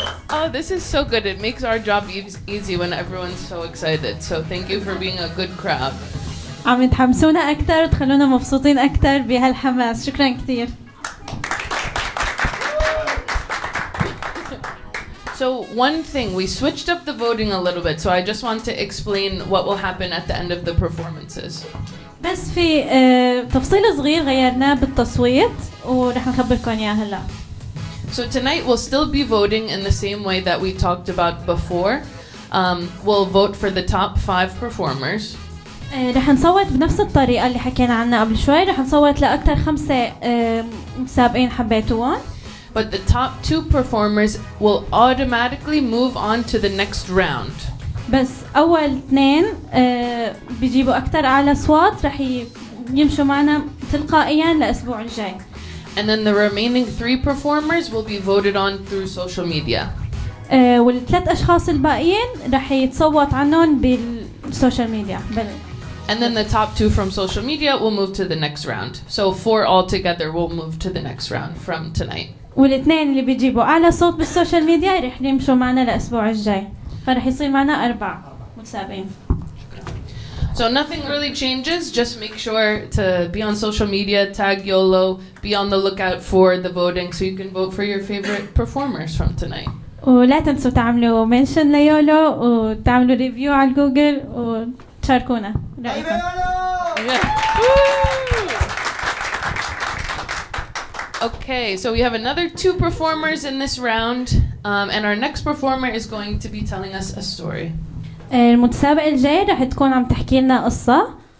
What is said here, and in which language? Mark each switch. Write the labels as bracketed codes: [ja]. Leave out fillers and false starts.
[en] Oh, this is so good. It makes our job easy when everyone's so excited. So thank you for being a good crowd. [ar] عم يتحمسونا أكثر وتخلونا مبسوطين أكثر بهالحماس. شكرا كثير. [en] So one thing, we switched up the voting a little bit, so I just want to explain what will happen at the end of the performances. [ar] بس في تفصيل صغير غيرناه بالتصويت ورح نخبركم اياه هلا. [en] So tonight we'll still be voting in the same way that we talked about before. We'll vote for the top five performers. [ar] رح نصوت بنفس الطريقة اللي حكينا عنها قبل شوي. رح نصوت لأكثر خمسة مسابقين حبيتوهم. [en] But the top two performers will automatically move on to the next round. [ar] بس أول اثنين بيجيبوا أكثر أعلى صوت رح يمشوا معنا تلقائياً لأسبوع الجاي. [en] And then the remaining three performers will be voted on through social media. [ar] والثلاث أشخاص الباقيين رح يتصوت عنهم بالسوشيال ميديا. [en] And then the top two from social media will move to the next round. So four altogether will move to the next round from tonight. [ar] والاثنين اللي بيجيبوا اعلى صوت بالسوشيال ميديا رح يمشوا معنا الاسبوع الجاي. فرح يصير معنا اربع متسابقين. [en] So nothing really changes, just make sure to be on social media, tag YOLO, be on the lookout for the voting so you can vote for your favorite performers from tonight. [ar] ولا تنسوا تعملوا منشن ليولو وتعملوا ريفيو على جوجل وتشاركونا رايكم. [en] Okay, so we have another two performers in this round, and our next performer is going to be telling us a story. [ar] المتسابق الجاي رح تكون عم تحكي لنا قصة.